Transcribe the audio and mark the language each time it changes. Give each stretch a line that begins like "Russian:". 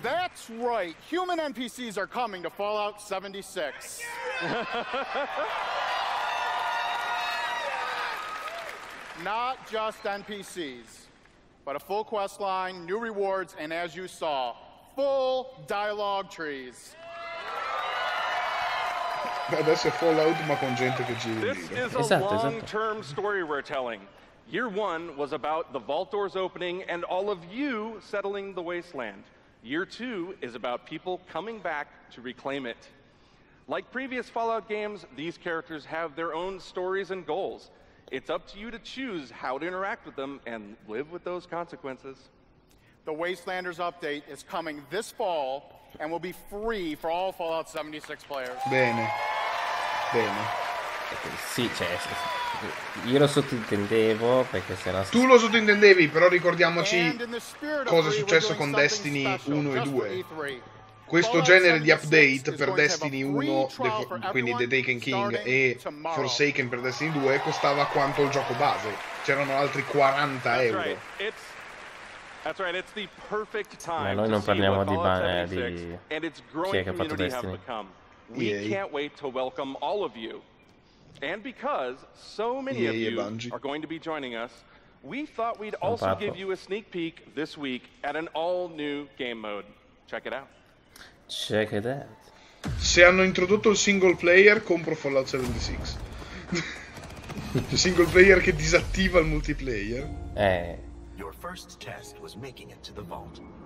English: That's right, human NPCs are coming to Fallout 76. not just NPCs, but a full quest line, new rewards, and as you saw, full dialogue trees.
Italian: Adesso è Fallout, ma con gente che gira.
English: This is a long-term story we're telling. Year one was about the vault doors opening and all of you settling the wasteland. Year two is about people coming back to reclaim it. Like previous Fallout games, these characters have their own stories and goals. It's up to you to choose how to interact with them and live with those consequences. The Wastelanders update is coming this fall and will be free for all Fallout 76 players.
Italian: Bene. Bene. Sì, cioè, io lo sottintendevo perché se la... Tu lo sottintendevi, però ricordiamoci cosa è successo con Destiny 1 e 2. Questo genere di update per Destiny 1, quindi The Taken King, e Forsaken per Destiny 2 costava quanto il gioco base. C'erano altri 40 euro.
English: That's right, it's the perfect time.
Italian: Ma noi non parliamo di Bane, di chi è che ha fatto Destiny.
English: We can't wait to welcome all of you. And because so many of you are going to be joining us, we thought we'd also give you a sneak peek this week at an all-new game mode. Check it out. Check it out.
Italian: Se hanno introdotto il single player, compro Fallout 76. Il single player che disattiva il multiplayer.
English: Your first test was making it to the vault.